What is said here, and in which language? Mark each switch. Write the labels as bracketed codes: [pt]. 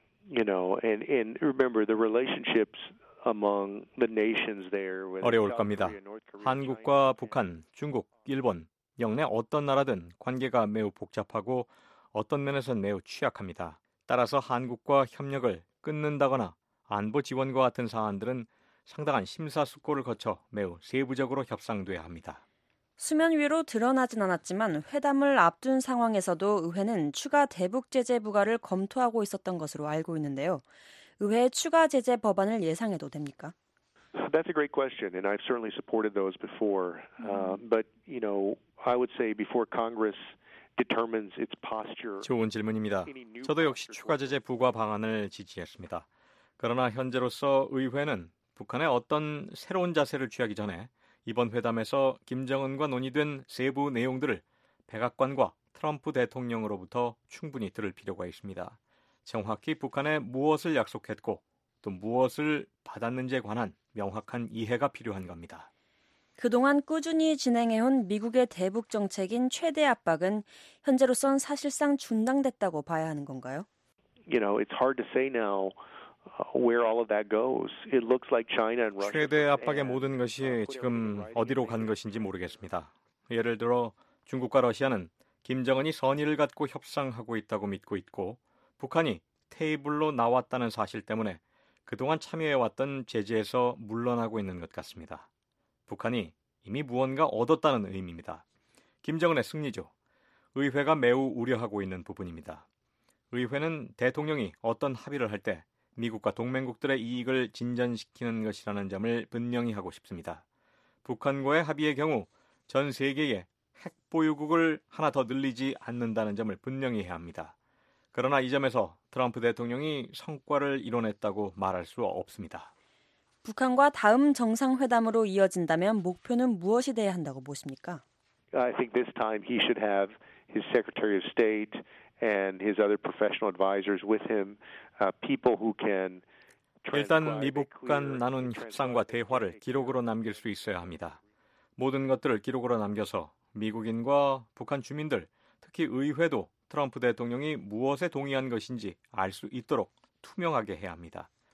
[en] You know, and remember the relationships among the nations there. [ko] 어려울 겁니다. 한국과 북한, 중국, 일본, 영내 어떤 나라든 관계가 매우 복잡하고 어떤 면에서는 매우 취약합니다. 따라서 한국과 협력을 끊는다거나 안보 지원과 같은 사안들은 상당한 심사숙고를 거쳐 매우 세부적으로 협상돼야 합니다. 수면 위로 드러나진 않았지만 회담을 앞둔 상황에서도 의회는 추가 대북 제재 부과를 검토하고 있었던 것으로 알고 있는데요. 의회의 추가 제재 법안을 예상해도 됩니까? [en] That's a great question, and I've certainly supported those before. But you know, I would say before Congress determines its posture. [ko] 좋은 질문입니다. 저도 역시 추가 제재 부과 방안을 지지했습니다. 그러나 현재로서 의회는 북한의 어떤 새로운 자세를 취하기 전에 이번 회담에서 김정은과 논의된 세부 내용들을 백악관과 트럼프 대통령으로부터 충분히 들을 필요가 있습니다. 정확히 북한에 무엇을 약속했고 또 무엇을 받았는지에 관한 명확한 이해가 필요한 겁니다. 그동안 꾸준히 진행해온 미국의 대북 정책인 최대 압박은 현재로선 사실상 중단됐다고 봐야 하는 건가요? [en] You know, it's hard to say now. Where all of that goes, it looks like China and Russia. [ko] 최대 압박의 모든 것이 지금 어디로 간 것인지 모르겠습니다. 예를 들어 중국과 러시아는 김정은이 선의를 갖고 협상하고 있다고 믿고 있고 북한이 테이블로 나왔다는 사실 때문에 그동안 참여해왔던 제재에서 물러나고 있는 것 같습니다. 북한이 이미 무언가 얻었다는 의미입니다. 김정은의 승리죠. 의회가 매우 우려하고 있는 부분입니다. 의회는 대통령이 어떤 합의를 할 때 미국과 동맹국들의 이익을 진전시키는 것이라는 점을 분명히 하고 싶습니다. 북한과의 합의의 경우 전 세계에 핵 보유국을 하나 더 늘리지 않는다는 점을 분명히 해야 합니다. 그러나 이 점에서 트럼프 대통령이 성과를 이뤄냈다고 말할 수 없습니다. 북한과 다음 정상회담으로 이어진다면 목표는 무엇이 돼야 한다고 보십니까? [en] I think this time he should have his Secretary of State and his other professional advisors with him. People who can [ko] 일단 미북 간 나눈 협상과 대화를 기록으로 남길 수 있어야 합니다. 모든 것들을 기록으로 남겨서 미국인과 북한 주민들, 특히 의회도 트럼프 대통령이 무엇에 동의한 것인지 알 수 있도록 투명하게 해야 합니다.